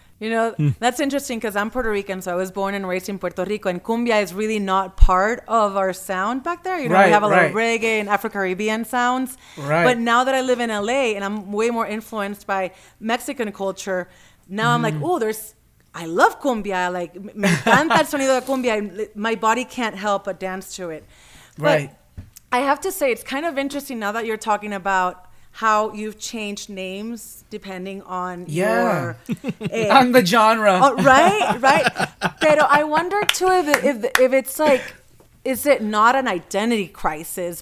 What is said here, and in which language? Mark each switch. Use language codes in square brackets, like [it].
[en] You know, that's interesting because I'm Puerto Rican, so I was born and raised in Puerto Rico, and cumbia is really not part of our sound back there. You know, right, we have a right. lot of reggae and Afro-Caribbean sounds. Right. But now that I live in LA and I'm way more influenced by Mexican culture, now I'm like, oh, I love cumbia. [es] Like, me encanta el sonido de cumbia. [en] My body can't help but dance to it. Right. But I have to say, it's kind of interesting now that you're talking about how you've changed names depending on your... on the genre. Right? Pero I wonder, too, if it's like... Is it not an identity crisis?